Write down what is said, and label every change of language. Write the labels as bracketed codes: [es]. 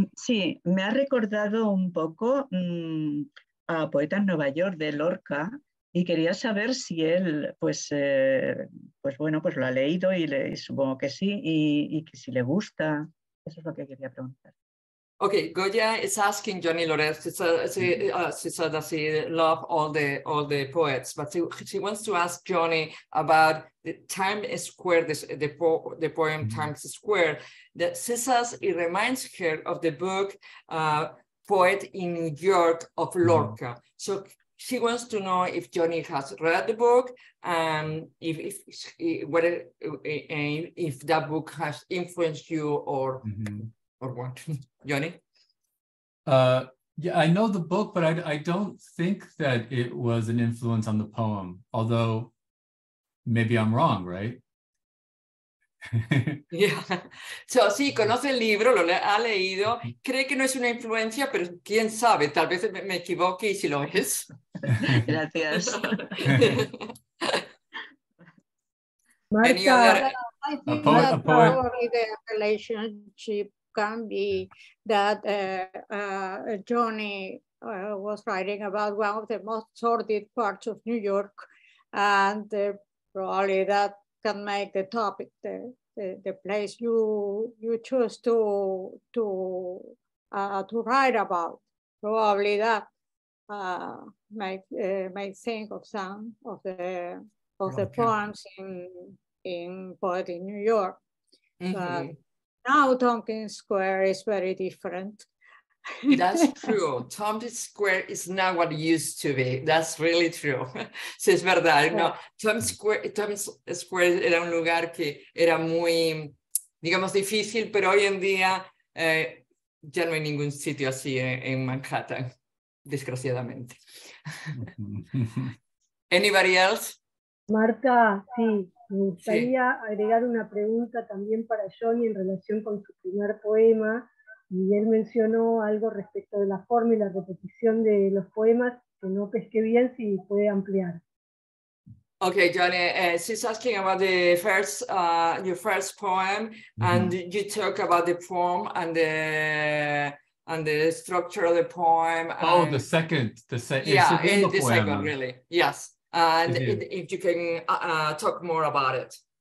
[es] Sí, me ha recordado un poco a Poeta en Nueva York, de Lorca, y quería saber si él, pues lo ha leído, y supongo que sí, y que si le gusta. Eso es lo que quería preguntar. [en] Okay, Goya is asking Johnny Lorenz. She said that she loved all the poets, but she wants to ask Johnny about the Times Square, the poem Times Square, that she says it reminds her of the book Poet in New York of Lorca. So she wants to know if Johnny has read the book and if that book has influenced you or. Mm-hmm. Or what? Johnny? I know the book, but I don't think that it was an influence on the poem, although maybe I'm wrong, right? Yeah. [es] So, sí, conoce el libro, lo ha leído, cree que no es una influencia, pero quién sabe, tal vez me equivoque y si lo es. Gracias. [en] Marta, I think that probably the relationship can be that Johnny was writing about one of the most sordid parts of New York, and probably that can make the topic the place you choose to write about. Probably that may think of some of the poems in Poet in New York. Mm-hmm. Now, Tompkins Square is very different. That's true. Tompkins Square is not what it used to be. That's really true. [es] Sí, es verdad. No, Tompkins Square era un lugar que era muy, digamos, difícil, pero hoy en día ya no hay ningún sitio así en Manhattan, desgraciadamente. [en] Anybody else? [es] Marta, sí. Me gustaría agregar una pregunta también para Johnny en relación con su primer poema. Y él mencionó algo respecto de la forma y la repetición de los poemas que no pesqué bien, si puede ampliar. [en] Okay, Johnny, she's asking about the first your first poem, and you talk about the form and the structure of the poem. Oh, the second, the second. Yeah, the second, really. Yes. And if you can talk more about it.